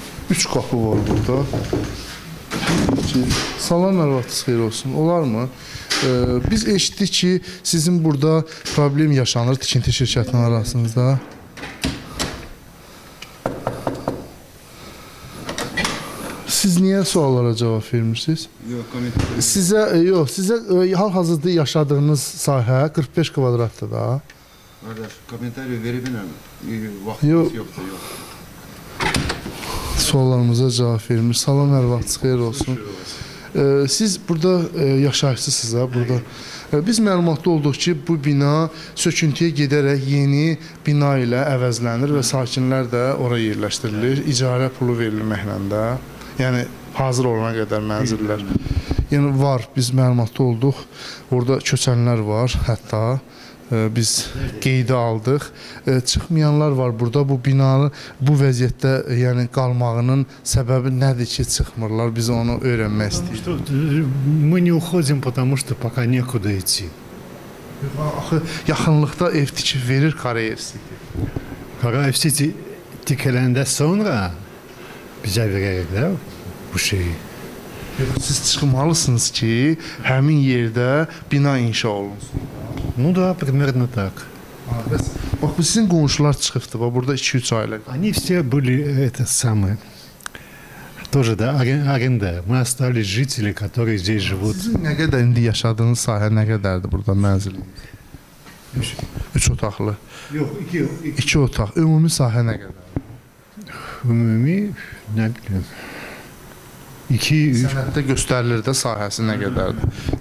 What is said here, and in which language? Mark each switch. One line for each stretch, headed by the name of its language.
Azerbaijani: Üç kapı var burada. Salam mərhabatınız, xeyir olsun. Olar mı? Biz eşitdik ki, sizin burada problem yaşanır tikinti şirkətinin arasında. Siz niyə suallara cavab vermirsiniz? Yox, sizə, yox, sizə hal-hazırda yaşadığınız sahə 45 kvadratdır da. Qardaş, komentari verib vaxtınız yox. Yoxdur, yox. Suallarımıza cavab vermiş. Salam Ərvat, xeyir olsun. Siz burada yaşayışsınız ha, burada. Biz məlumatlı olduq ki, bu bina söküntüyə gedərək yeni bina ilə əvəzlənir və sakinlər də oraya yerləşdirilir. İcarə pulu verilməklə də. Yəni hazır olana qədər mənzillər. Yəni var, biz məlumatlı olduq. Orada köçənlər var hətta. Biz qeydə aldıq. Çıxmayanlar var burada. Bu binanın bu vəziyyətdə yəni qalmağının səbəbi nədir ki çıxmırlar? Biz onu öyrənmək istəyirik.
Russian: Мы не уходим, потому что пока некуда идти.
Azerbaijani: Yaxınlıqda ev tikib verir Karayev City. Karayev City tikiləndə sonra bizə verəcəklər bu şeyi. Siz çıxmalısınız ki həmin yerdə bina inşa olunsun.
Russian: Ну да, примерно так.
Azerbaijani: Bax, bu sizin qonşular çıxıbdı, burada 2-3 ailə.
Russian: Они все были это самое. Тоже да, аренда. Мы остались жители, которые здесь живут.
Azerbaijani: Sizin nə qədər indi yaşadığınız sahə nə qədərdir burada mənzil? 3 otaqlı. Yox, 2. 2 otaq. Ümumi sahə nə qədərdir? Ümumi nə bilim. 2 3 Sənəddə göstərilir də sahəsi nə qədərdir?